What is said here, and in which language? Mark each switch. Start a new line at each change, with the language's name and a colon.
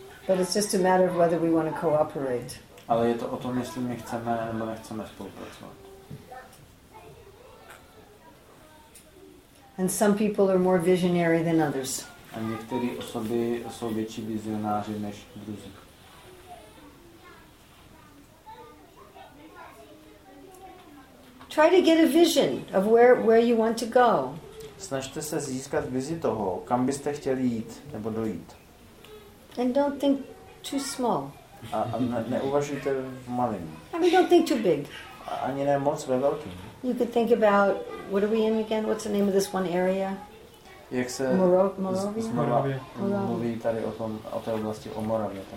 English: But it's just a matter of whether we want to cooperate.
Czech: Ale je to o tom, jestli my chceme nebo nechceme spolupracovat.
English: And some people are more visionary than others.
Czech: A některé osoby jsou větší vizionáři než druzí.
English: Try to get a vision of where you want to go.
Czech: Snažte se získat vizi toho, kam byste chtěli jít nebo dojít.
English: And don't think too small.
Czech: Neuvažujte v malém.
English: I mean, don't think too big.
Czech: Ani ne moc ve velkém.
English: You could think about what are we in again? What's the name of this one area?
Czech: Jak se
English: Moravia.
Czech: Mluví tady o té oblasti o Moravě.